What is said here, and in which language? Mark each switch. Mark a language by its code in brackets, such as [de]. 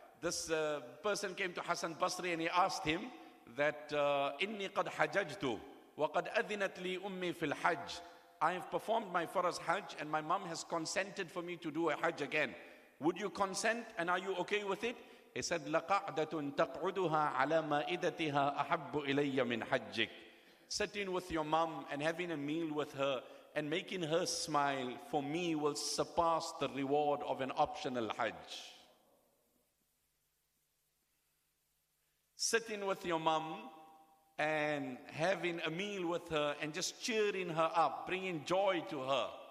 [en] This person came to Hassan Basri and he asked him that, [ar] إِنِّي قَدْ حَجَجْتُ وَقَدْ أَذِنَتْ لِي أُمِّي فِي الْحَجِّ. [en] I have performed my faraz Hajj and my mom has consented for me to do a Hajj again. Would you consent and are you okay with it? He said, [ar] لَقَعْدَةٌ تَقْعُدُهَا عَلَى مَائِدَتِهَا أَحَبُّ إِلَيَّ مِنْ حَجِّكْ. [en] Sitting with your mom and having a meal with her and making her smile for me will surpass the reward of an optional Hajj. Sitting with your mom and having a meal with her and just cheering her up, bringing joy to her.